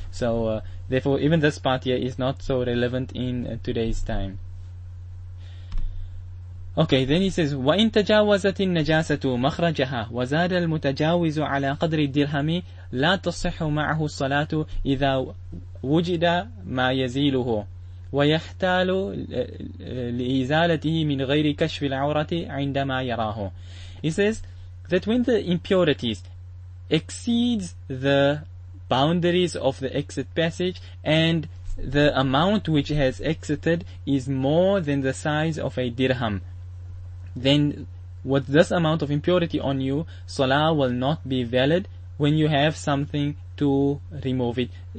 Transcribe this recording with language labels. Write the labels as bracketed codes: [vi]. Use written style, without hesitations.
[en] So therefore, even this part here is not so relevant in today's time. Okay, then he says, [ar] وَإِن تَجَاوَزَتِ النَّجَاسَةُ مَخْرَجَهَا وَزَادَ الْمُتَجَاوِزُ عَلَىٰ قَدْرِ الدِّرْهَمِ لَا تَصِحُ مَعَهُ الصَّلَاةُ إِذَا وُجِدَ مَا يَزِيلُهُ وَيَحْتَالُ لِإِزَالَتِهِ مِنْ غَيْرِ كَشْفِ الْعَوْرَةِ عِنْدَمَا يَرَاهُ. [en] He says that when the impurities exceeds the boundaries of the exit passage and the amount which has exited is more than the size of a dirham, then with this amount of impurity on you, salah will not be valid when you have something to remove it.